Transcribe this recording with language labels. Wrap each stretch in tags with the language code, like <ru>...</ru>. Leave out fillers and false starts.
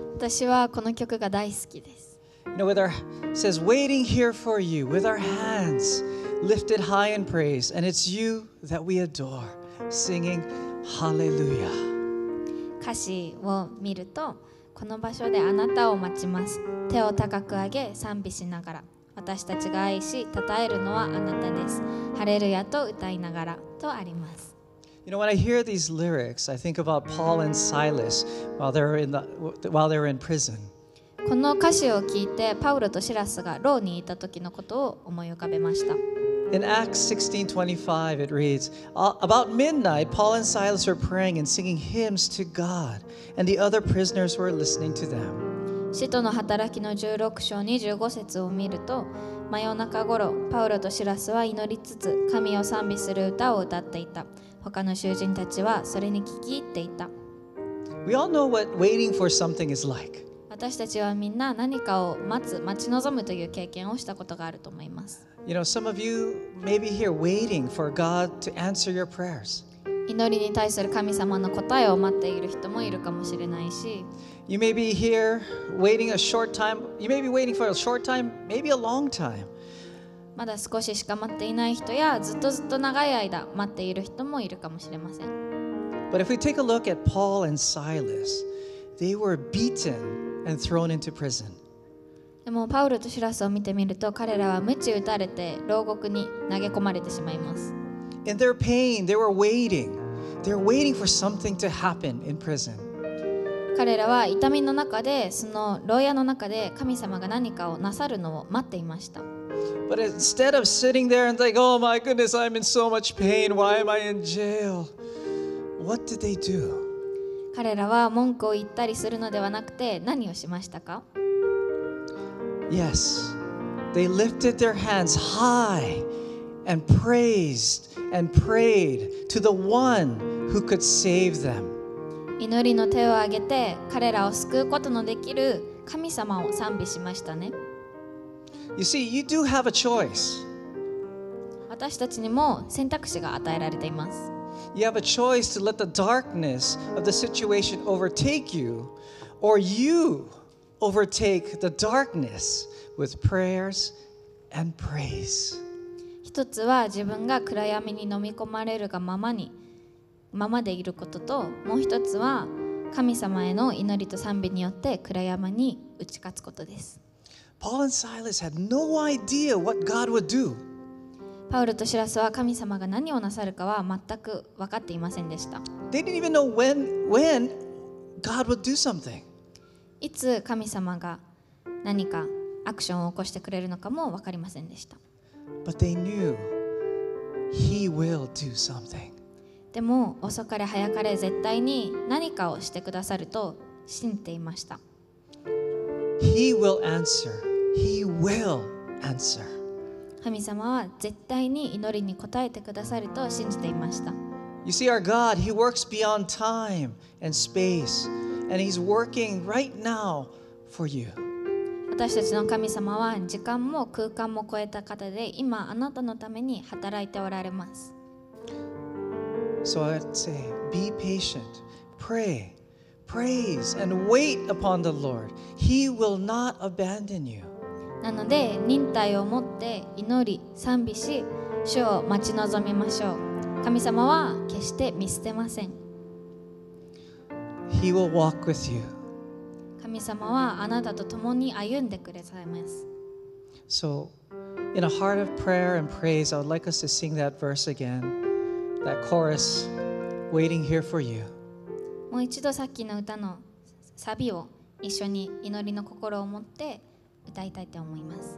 <en>With our, it says, waiting here for you, with our hands lifted high in praise, and it's you that we adore, singing hallelujah.</en> <ja>歌詞を見ると、この場所であなたを待ちます。手を高く上げ、賛美しながら。私たちが愛し、讃えるのはあなたです。ハレルヤと歌いながらとあります。</ja> <en>You know, when I hear these lyrics, I think about Paul and Silas while they were in prison.</en> <ja>この歌詞を聞いて、パウロとシラスが牢にいた時のことを思い浮かべました。</ja> <en>In Acts 16:25, it reads, About midnight, Paul and Silas were praying and singing hymns to God, and the other prisoners were listening to them.</en> <ja>使徒の働きの16章25節を見ると、真夜中頃、パウロとシラスは祈りつつ、神を賛美する歌を歌っていた。他の囚人たちはそれに聞き入っていた。</ja> <en>We all know what waiting for something is like.</en> <ja>私たちはみんな何かを待つ、待ち望むという経験をしたことがあると思います。</ja> <en>You know, some of you may be here waiting for God to answer your prayers.</en> <ja>祈りに対する神様の答えを待っている人もいるかもしれないし、</ja> <en>You may be here waiting a short time. You may be waiting for a short time, maybe a long time.</en> <ja>まだ少ししか待っていない人や、ずっとずっと長い間待っている人もいるかもしれません。</ja> <en>But if we take a look at Paul and Silas, they were beaten and thrown into prison.</en> <ja>でもパウロとシラスを見てみると、彼らは鞭打たれて牢獄に投げ込まれてしまいます。</ja> <en>In their pain, they were waiting. They were waiting for something to happen in prison.</en> <ja>彼らは痛みの中で、その牢屋の中で神様が何かをなさるのを待っていました。</ja> <en>But instead of sitting there and thinking, Oh my goodness, I'm in so much pain. Why am I in jail? What did they do?</en> <ja>彼らは文句を言ったりするのではなくて、何をしましたか?</ja> <en>Yes, they lifted their hands high and praised and prayed to the one who could save them.</en> <ja>祈りの手を挙げて彼らを救うことのできる神様を賛美しましたね。</ja> <en>You see, you do have a choice.</en> <ja>私たちにも選択肢が与えられています。</ja> <en>You have a choice to let the darkness of the situation overtake you, or you overtake the darkness with prayers and praise.</en> <ja>一つは自分が暗闇に飲み込まれるがままに。ままでいることと、もう一つは神様への祈りと賛美によって暗闇に打ち勝つことです。</ja> <en>Paul and Silas had no idea what God would do.</en> <ja>パウロとシラスは神様が何をなさるかは全く分かっていませんでした。</ja> <en>They didn't even know when God would do something.</en> <ja>いつ神様が何かアクションを起こしてくれるのかも分かりませんでした。</ja> <en>But they knew He will do something.</en> <ja>でも遅かれ早かれ絶対に何かをしてくださると信じていました。</ja> <en>He will answer. He will answer.</en> <ja>神様は絶対に祈りに応えてくださると信じていました。</ja> <en>You see, our God, He works beyond time and space, and He's working right now for you.</en> <ja>私たちの神様は時間も空間も超えた方で、今あなたのために働いておられます。</ja> <en>So I'd say, be patient, pray, praise, and wait upon the Lord. He will not abandon you.</en> <ja>なので、忍耐を持って祈り、賛美し、主を待ち望みましょう。神様は決して見捨てません。</ja> <en>He will walk with you.</en> <ja>神様はあなたと共に歩んでくれされます。</ja> <en>So, in a heart of prayer and praise, I would like us to sing that verse again. That chorus, waiting here for you.</en> <ja>もう一度さっきの歌のサビを一緒に祈りの心を持って歌いたいと思います。</ja>